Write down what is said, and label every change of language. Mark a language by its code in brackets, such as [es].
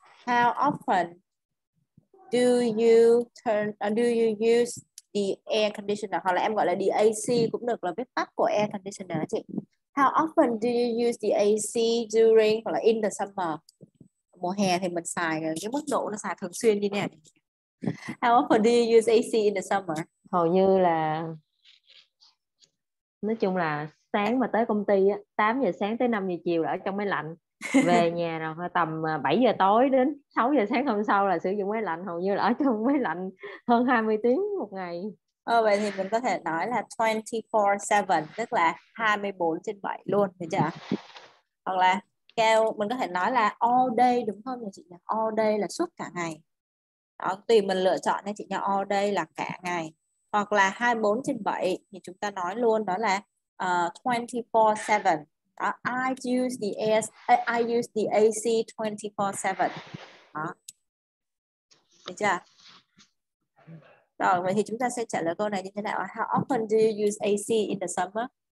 [en] How often do you use the air conditioner? [vi] Hoặc là em gọi là the AC cũng được, là viết tắt của air conditioner chị. [en] How often do you use the AC during [vi] hoặc là [en] in the summer? [vi] Mùa hè thì mình xài cái mức độ nó xài thường xuyên như thế nào? [en] How often do you use AC in the summer? [vi] Hầu như là nói chung là sáng mà tới công ty á, 8 giờ sáng tới 5 giờ chiều là ở trong máy lạnh. Về nhà rồi tầm 7 giờ tối đến 6 giờ sáng hôm sau là sử dụng máy lạnh, hầu như là ở trong máy lạnh hơn 20 tiếng một ngày. Vậy thì mình có thể nói là 24/7, tức là 24/7 luôn, được chưa? Hoặc là kêu mình có thể nói là all day đúng không chị nhỉ? All day là suốt cả ngày. Đó, tùy mình lựa chọn nha chị nhỉ, all day là cả ngày. Hoặc là 24/7 thì chúng ta nói luôn đó là 24/7. Đó, [en] I use the AC 24/7. [vi] Đó. Được chưa? Rồi, vậy thì chúng ta sẽ trả lời câu này như thế nào? [en] How often do you use AC in the summer?